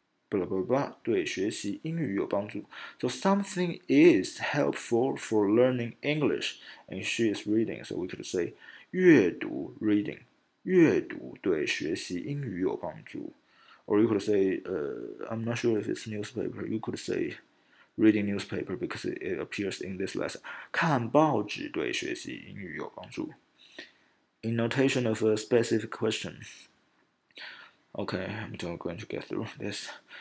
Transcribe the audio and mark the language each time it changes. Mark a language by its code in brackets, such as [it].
[en] Blah blah blah, [zh] 对学习英语有帮助。 [en] So something is helpful for learning English, and she is reading. So we could say, 阅读 reading, [zh] 阅读对学习英语有帮助。 [en] Or you could say, I'm not sure if it's newspaper. You could say, reading newspaper because it appears in this lesson. [zh] 看报纸对学习英语有帮助。 [en] In notation of a specific question. Okay, I'm not going to get through this.